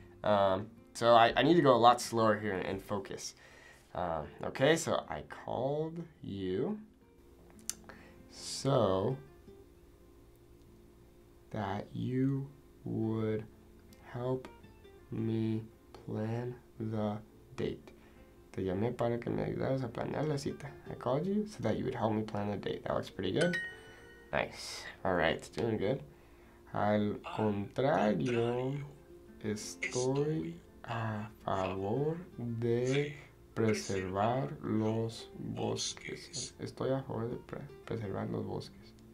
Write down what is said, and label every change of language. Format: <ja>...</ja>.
<en>So I need to go a lot slower here and focus. Okay, so I called you. So that you would help me plan the date.</en> <es>Te llamé para que me ayudaras a planear la cita.</es> <en>I called you so that you would help me plan the date. That looks pretty good. Nice. All right, doing good.</en> <es>Al contrario, estoy a favor de preservar los bosques. Estoy a favor de preservar los bosques.</es>